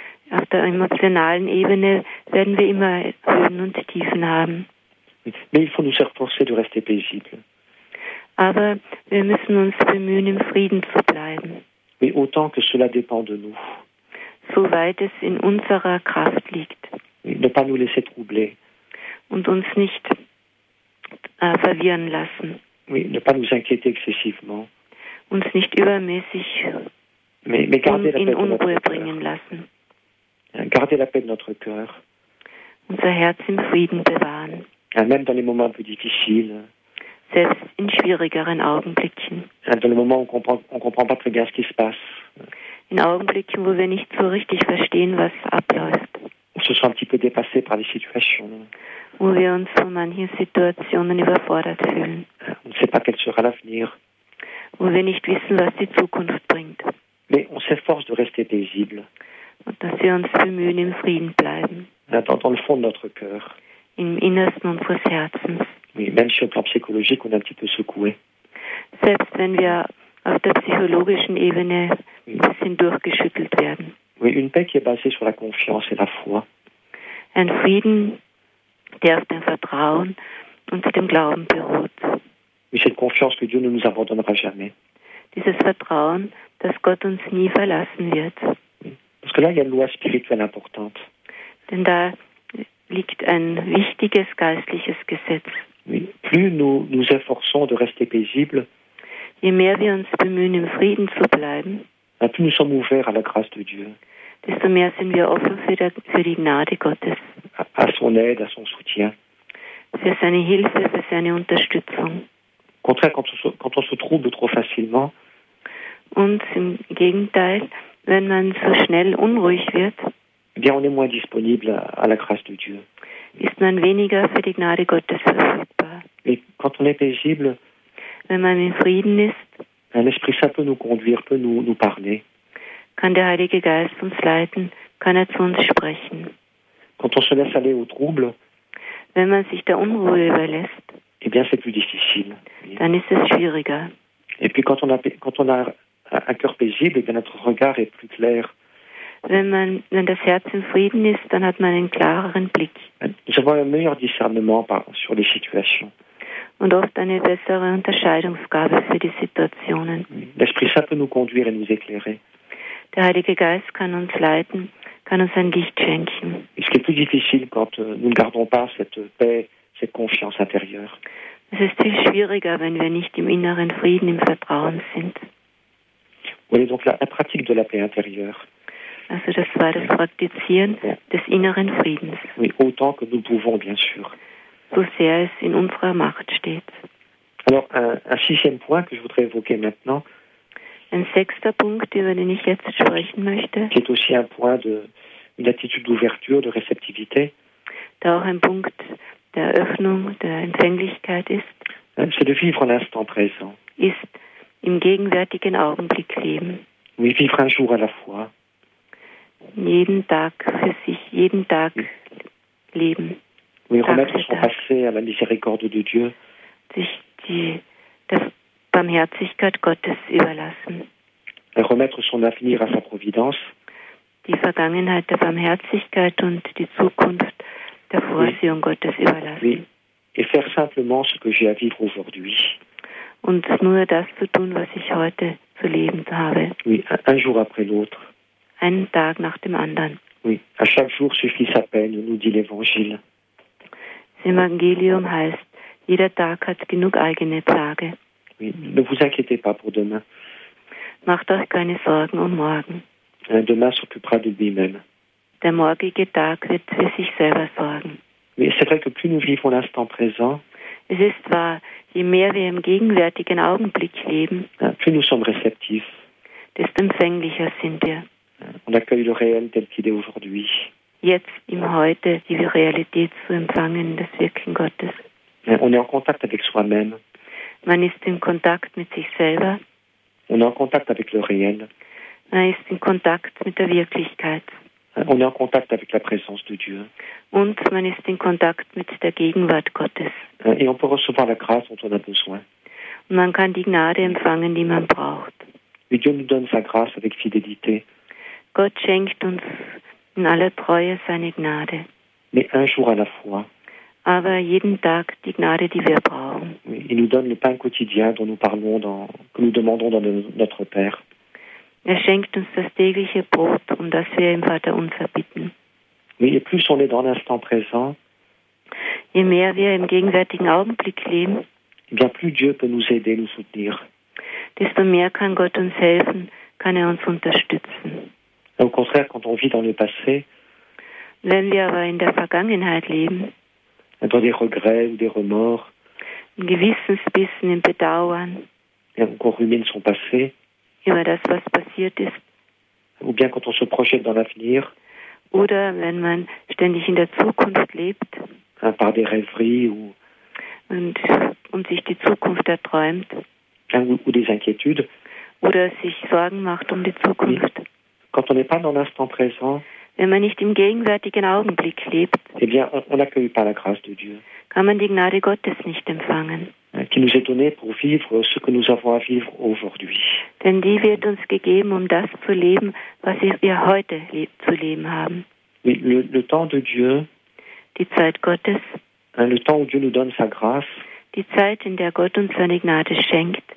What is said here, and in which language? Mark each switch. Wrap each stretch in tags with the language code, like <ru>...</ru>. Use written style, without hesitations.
<de>Auf der emotionalen Ebene werden wir immer Höhen und Tiefen haben.</de> <fr>Mais il faut nous efforcer de rester paisible.</fr> <de>Aber wir müssen uns bemühen, im Frieden zu bleiben.</de> <fr>Mais autant que cela dépend de nous.</fr> <de>Soweit es in unserer Kraft liegt.</de> <fr>Ne pas nous laisser troubler.</fr> <de>Und uns nicht verwirren lassen.</de> <fr>Mais ne pas nous inquiéter excessivement.</fr> <de>Uns nicht übermäßig</de> <fr>mais</fr> <de>in Unruhe bringen lassen.</de> <fr>Garder la paix de notre cœur.</fr> <de>Unser Herz im Frieden bewahren.</de> <fr>Même dans les moments plus difficiles.</fr> <de>Selbst in schwierigeren Augenblicken.</de> <fr>Dans les moments où on comprend pas très bien ce qui se passe.</fr> <de>In Augenblicken, wo wir nicht so richtig verstehen, was abläuft.</de> <fr>On se sent un petit peu dépassé par les situations.</fr> <de>Wo wir uns von manchen Situationen überfordert fühlen.</de> <fr>On ne sait pas quel sera l'avenir.</fr> <de>Wo wir nicht wissen, was die Zukunft bringt.</de> <fr>Mais on s'efforce de rester paisible.</fr> <de>Und dass wir uns bemühen, im Frieden bleiben.</de> <fr>Dans le fond de notre cœur.</fr> <de>Im Innersten unseres Herzens.</de> <fr>Oui, même si au plan psychologique, on est un petit peu secoué.</fr> <de>Selbst wenn wir auf der psychologischen Ebene ein bisschen durchgeschüttelt werden.</de> <fr>Oui, une paix qui est basée sur la confiance et la foi.</fr> <de>Ein Frieden, der auf dem Vertrauen und dem Glauben beruht.</de> <fr>Oui, cette confiance que Dieu ne nous abandonnera jamais.</fr> <de>Dieses Vertrauen, dass Gott uns nie verlassen wird.</de> <fr>Parce que là, il y a une loi spirituelle importante.</fr> <de>Denn da liegt ein wichtiges geistliches Gesetz.</de> <fr>Oui. Plus nous nous efforçons de rester paisibles,</fr> <de>je mehr wir uns bemühen, im Frieden zu bleiben,</de> <fr>plus nous sommes ouverts à la grâce de Dieu.</fr> <de>Desto mehr sind wir offen für die Gnade Gottes.</de> <fr>À son aide, à son soutien.</fr> <de>Für seine Hilfe, für seine Unterstützung.</de> <fr>Au contraire, quand on se trouble trop facilement.</fr> <de>Und im Gegenteil, wenn man so schnell unruhig wird,</de> <fr>bien, on est moins disponible à la grâce de Dieu.</fr> <de>Ist man weniger für die Gnade Gottes verfügbar.</de> <fr>Mais quand on est paisible,</fr> <de>wenn man im Frieden ist,</de> <fr>l'Esprit Saint peut nous conduire, peut nous parler.</fr> <de>Kann der Heilige Geist uns leiten, kann er zu uns sprechen.</de> <fr>Quand on se laisse aller au trouble,</fr> <de>wenn man sich der Unruhe überlässt,</de> <fr>eh bien, c'est plus difficile.</fr> <de>Dann ist es schwieriger.</de> <fr>Et puis quand on a un cœur paisible, et bien notre regard est plus clair.</fr> <de>Wenn das Herz im Frieden ist, dann hat man einen klareren Blick.</de> <fr>Nous avons un meilleur discernement sur les situations.</fr> <de>Und oft eine bessere Unterscheidungsgabe für die Situationen.</de> <fr>L'Esprit Saint peut nous conduire et nous éclairer.</fr> <de>Der Heilige Geist kann uns leiten, kann uns ein Licht schenken.</de> <fr>Ce qui est plus difficile quand nous ne gardons pas cette paix, cette confiance intérieure.</fr> <de>Es ist viel schwieriger, wenn wir nicht im inneren Frieden, im Vertrauen sind.</de> <fr>Oui, donc la pratique de la paix intérieure.</fr> <de>Also das war das Praktizieren des inneren Friedens.</de> <fr>Oui, autant que nous pouvons, bien sûr.</fr> <de>So sehr es in unserer Macht steht.</de> <fr>Alors, un sixième point que je voudrais évoquer maintenant.</fr> <de>Ein sechster Punkt, über den ich jetzt sprechen möchte.</de> <fr>Qui est aussi un point une attitude d'ouverture, de réceptivité.</fr> <de>Da auch ein Punkt der Öffnung, der Empfänglichkeit ist.</de> <fr>C'est de vivre l'instant présent.</fr> <de>Ist im gegenwärtigen Augenblick leben.</de> <fr>Oui, vivre un jour à la fois.</fr> <de>jeden Tag für sich, jeden Tag leben.</de> <fr>Oui, remettre son passé à la miséricorde de Dieu.</fr> <de>Sich der Barmherzigkeit Gottes überlassen.</de> <fr>Et remettre son avenir à sa providence.</fr> <de>Die Vergangenheit der Barmherzigkeit und die Zukunft der Vorsehung Gottes überlassen.</de> <fr>Oui. Et faire simplement ce que j'ai à vivre aujourd'hui.</fr> <de>Und nur das zu tun, was ich heute zu leben habe.</de> <fr>Oui, un jour après l'autre.</fr> <de>Einen Tag nach dem anderen.</de> <fr>Oui, à chaque jour suffit sa peine, nous dit l'Évangile.</fr> <de>Das Evangelium heißt, jeder Tag hat genug eigene Plage.</de> <fr>Oui, ne vous inquiétez pas pour demain.</fr> <de>Macht euch keine Sorgen um morgen.</de> <fr>Demain s'occupera de lui-même.</fr> <de>Der morgige Tag wird für sich selber sorgen.</de> <fr>Oui, c'est vrai que plus nous vivons l'instant présent,</fr> <de>es ist wahr, je mehr wir im gegenwärtigen Augenblick leben,</de> <fr>plus nous sommes réceptifs,</fr> <de>desto empfänglicher sind wir.</de> <fr>On accueille le réel tel qu'il est aujourd'hui.</fr> <de>Jetzt, im Heute, die Realität zu empfangen, das Wirken Gottes.</de> <fr>On est en contact avec soi-même.</fr> <de>Man ist in Kontakt mit sich selber.</de> <fr>On est en contact avec le réel.</fr> <de>Man ist in Kontakt mit der Wirklichkeit.</de> <fr>On est en contact avec la présence de Dieu.</fr> <de>Und man ist in Kontakt mit der Gegenwart Gottes.</de> <fr>Et on peut recevoir la grâce dont on a besoin.</fr> <de>Und man kann die Gnade empfangen, die man braucht.</de> <fr>Et Dieu nous donne sa grâce avec fidélité.</fr> <de>Gott schenkt uns in aller Treue seine Gnade.</de> <fr>Mais un jour à la fois.</fr> <de>Aber jeden Tag die Gnade, die wir brauchen.</de> <fr>Il nous donne le pain quotidien dont nous parlons, que nous demandons dans notre Père.</fr> <de>Er schenkt uns das tägliche Brot, um das wir im Vater unser bitten.</de> <fr>Mais plus on est dans l'instant présent,</fr> <de>je mehr wir im gegenwärtigen Augenblick leben,</de> <fr>bien plus Dieu peut nous aider, nous soutenir.</fr> <de>Desto mehr kann Gott uns helfen, kann er uns unterstützen.</de> <fr>Au contraire, quand on vit dans le passé,</fr> <de>wenn wir aber in der Vergangenheit leben,</de> <fr>dans des regrets ou des remords,</fr> <de>in Gewissensbissen, im Bedauern,</de> <fr>et qu'on rumine son passé,</fr> <de>über das, was passiert ist.</de> <fr>Ou bien quand on se projette dans l'avenir.</fr> <de>Oder wenn man ständig in der Zukunft lebt.</de> <fr>Par des rêveries ou.</fr> <de>Und sich die Zukunft erträumt.</de> <fr>Ou des inquiétudes.</fr> <de>Oder sich Sorgen macht um die Zukunft.</de> <fr>Quand on n'est pas dans l'instant présent.</fr> <de>Wenn man nicht im gegenwärtigen Augenblick lebt.</de> <fr>Eh bien, on n'accueille pas la grâce de Dieu.</fr> <de>Kann man die Gnade Gottes nicht empfangen.</de> <fr>Qui nous est donné pour vivre ce que nous avons à vivre aujourd'hui.</fr> <de>Denn die wird uns gegeben, um das zu leben, was wir heute zu leben haben.</de> <fr>Le temps de Dieu,</fr> <de>die Zeit Gottes,</de> <fr>le temps où Dieu nous donne sa grâce,</fr> <de>die Zeit, in der Gott uns seine Gnade schenkt,</de>